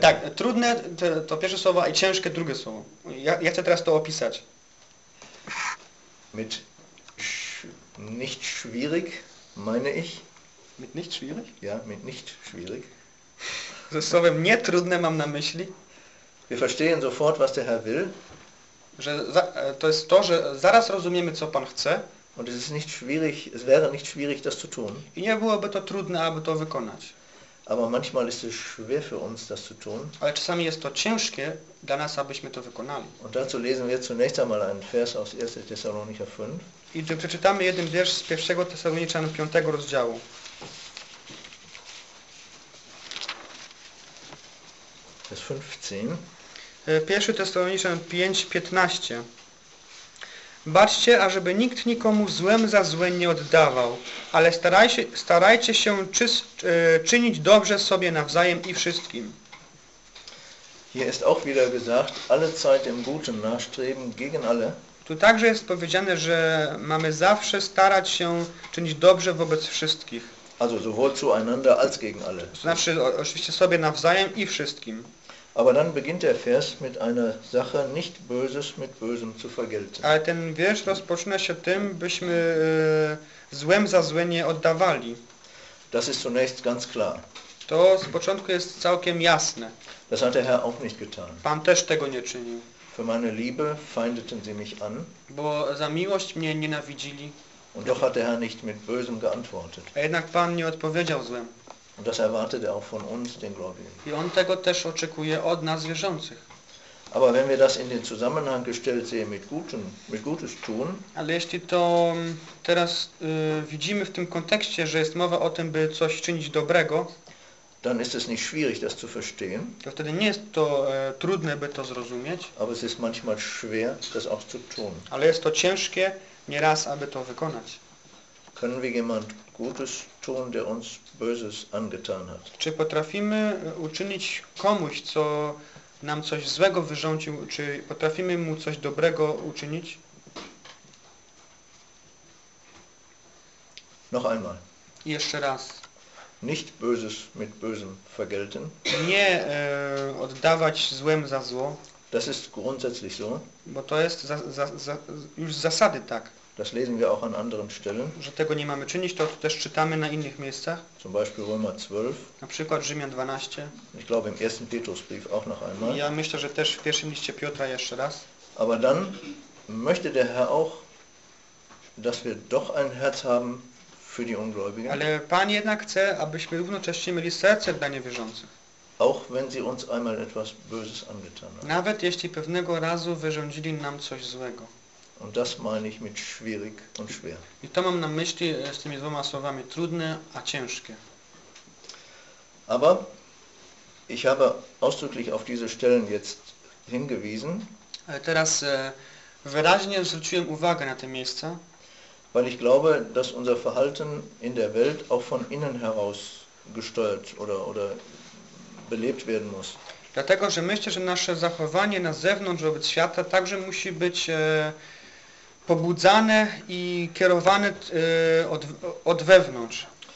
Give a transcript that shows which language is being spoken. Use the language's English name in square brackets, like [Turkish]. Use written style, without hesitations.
[Polish] Tak, trudne to pierwsze słowo i ciężkie drugie słowo. Ja chcę teraz to opisać. [German] Mit nicht schwierig meine ich. Mit nicht schwierig? Ja, mit nicht schwierig. [Polish] Ze słowem nietrudne mam na myśli. [German] Wir verstehen sofort, was der Herr will. [Polish] Że to jest to, że zaraz rozumiemy, co Pan chce. [German] Und es ist nicht schwierig, es wäre nicht schwierig, das zu tun. [Polish] I nie byłoby to trudne, aby to wykonać. [German] Aber manchmal ist es schwer für uns, das zu tun. [Polish] Ale czasami jest to ciężkie dla nas, abyśmy to wykonali. [German] Und dazu lesen wir zunächst einmal einen Vers aus 1. Thessalonicher 5. [Polish] I przeczytamy jeden wiersz z 1. Thessaloniczan 5 rozdziału. [German] Vers 15. [Polish] 1. Thessaloniczan 5:15. Baczcie, ażeby nikt nikomu złem za złe nie oddawał, ale starajcie się czynić dobrze sobie nawzajem i wszystkim. [German] Hier ist auch wieder gesagt, alle Zeit im Guten nachstreben gegen alle. [Polish] Tu także jest powiedziane, że mamy zawsze starać się czynić dobrze wobec wszystkich. [German] Also sowohl zueinander als gegen alle. [Polish] To znaczy oczywiście sobie nawzajem i wszystkim. [German] Aber dann beginnt der Vers mit einer Sache, nicht Böses mit Bösem zu vergelten. [Polish] Ale ten wiersz rozpoczyna się tym, byśmy złem za złe nie oddawali. [German] Das ist zunächst ganz klar. [Polish] To z początku jest całkiem jasne. [German] Das hat der Herr auch nicht getan. [Polish] Pan też tego nie czynił. [German] Für meine Liebe feindeten sie mich an. [Polish] Bo za miłość mnie nienawidzili. [German] Und doch hat der Herr nicht mit Bösem geantwortet. [Polish] A jednak Pan nie odpowiedział złem. [German] Und das erwartet er auch von uns, den Gläubigen. [Polish] I on tego też oczekuje od nas wierzących. [German] Aber wenn wir das in den Zusammenhang gestellt sehen mit Gutes tun. [Polish] Ale jeśli to teraz widzimy w tym kontekście, że jest mowa o tym, by coś czynić dobrego. [German] Dann ist es nicht schwierig, das zu verstehen. [Polish] To wtedy nie jest to trudne, by to zrozumieć. [German] Aber es ist manchmal schwer, das auch zu tun. [Polish] Ale jest to ciężkie nieraz, aby to wykonać. [German] Können wir jemand Gutes tun, der uns Böses angetan hat? [Polish] Czy potrafimy uczynić komuś, co nam coś złego wyrządził, czy potrafimy mu coś dobrego uczynić? [German] Noch einmal. [Polish] Jeszcze raz. [German] Nicht Böses mit Bösem vergelten. [Polish] Nie oddawać złem za zło. [German] Das ist grundsätzlich so. [Polish] Bo to jest już z zasady tak. [German] Das lesen wir auch an anderen Stellen. [Polish] Że tego nie mamy czynić, to też czytamy na innych miejscach. [German] Zum Beispiel Römer 12. [Polish] Na przykład Rzymian 12. [German] Ich glaube im ersten Petrusbrief auch noch einmal. [Polish] Ja myślę, że też w pierwszym liście Piotra jeszcze raz. [German] Aber dann möchte der Herr auch, dass wir doch ein Herz haben für die Ungläubigen. [Polish] Ale Pan jednak chce, abyśmy równocześnie mieli serce dla niewierzących. [German] Auch wenn sie uns einmal etwas Böses angetan haben. [Polish] Nawet jeśli pewnego razu wyrządzili nam coś złego. [German] Und das meine ich mit schwierig und schwer. [Polish] I to mam na myśli z tymi dwoma słowami trudne a ciężkie. [German] Aber ich habe ausdrücklich auf diese Stellen jetzt hingewiesen. [Polish] Ale teraz wyraźnie zwróciłem uwagę na te miejsca. [German] Weil ich glaube, dass unser Verhalten in der Welt auch von innen heraus gesteuert oder belebt werden muss. [Polish] Dlatego, że myślę, że nasze zachowanie na zewnątrz wobec świata także musi być pobudzane i kierowane od wewnątrz.